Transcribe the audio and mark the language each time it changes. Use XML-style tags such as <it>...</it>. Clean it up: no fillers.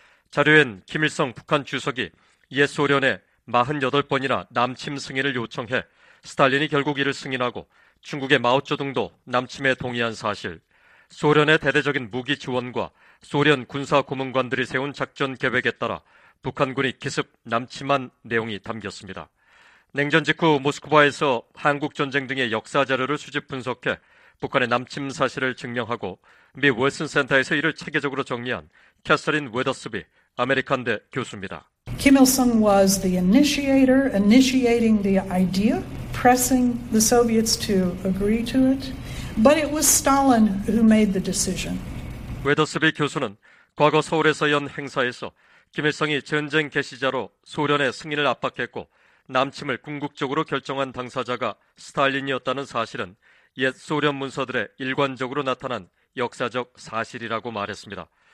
<ko>자료엔 김일성 북한 주석이 옛 소련에 48번이나 남침 승인을 요청해 스탈린이 결국 이를 승인하고 중국의 마오쩌둥도 남침에 동의한 사실, 소련의 대대적인 무기 지원과 소련 군사 고문관들이 세운 작전 계획에 따라 북한군이 기습 남침한 내용이 담겼습니다. 냉전 직후 모스크바에서 한국전쟁 등의 역사 자료를 수집 분석해 북한의 남침 사실을 증명하고 미 월슨 센터에서 이를 체계적으로 정리한 캐서린 웨더스비 아메리칸대 교수입니다.</ko> <en>Kim Il-sung was the initiator, initiating the idea, pressing the Soviets to agree to it. But it was Stalin who made the decision.</en> <ko>웨더스비 교수는 과거 서울에서 연 행사에서 김일성이 전쟁 개시자로 소련의 승인을 압박했고 남침을 궁극적으로 결정한 당사자가 스탈린이었다는 사실은 옛 소련 문서들의 일관적으로 나타난 역사적 사실이라고 말했습니다.</ko>